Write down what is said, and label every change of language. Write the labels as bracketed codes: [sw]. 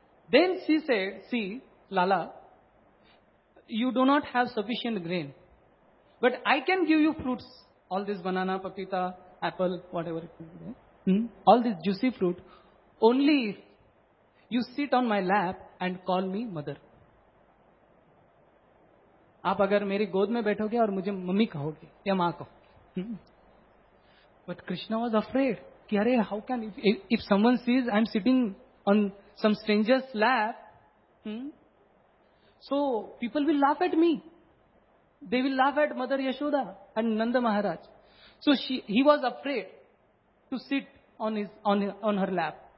[en] Then she said, see, Lala, you do not have sufficient grain, but I can give you fruits, all this banana, papita, apple, whatever it may be, all this juicy fruit, only if you sit on my lap and call me mother. [hi] आप अगर मेरी गोद में बैठोगे और मुझे mummy कहोगे या माँ कहोगे. [en] But Krishna was afraid. [hi] कि अरे [en] how can if someone sees I'm sitting on some stranger's lap, so people will laugh at me. They will laugh at Mother Yashoda and Nanda Maharaj. So he was afraid to sit on her lap.